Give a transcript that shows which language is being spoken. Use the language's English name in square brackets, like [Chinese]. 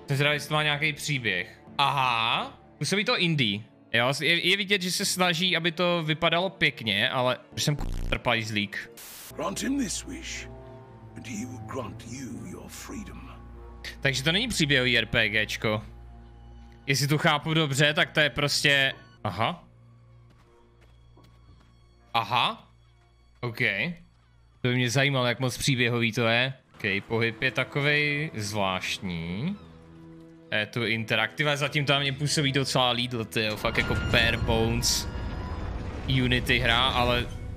[Czech] Jsem zvědavý, jestli to má nějaký příběh. Aha. Působí to indie. Jo, je vidět, že se snaží, aby to vypadalo pěkně, ale už jsem trpajzlík. [English] Grant him this wish, and he will grant you your freedom. [Czech] Takže to není příběhový RPGčko. Jestli to chápu dobře, tak to je prostě... Aha. Aha. OK. To by mě zajímalo, jak moc příběhový to je. OK, pohyb je takovej zvláštní. Je to interaktivé, zatím tam mě působí docela Lidl, tyjo, fakt jako [English] bare bones [Czech] Unity hra, ale...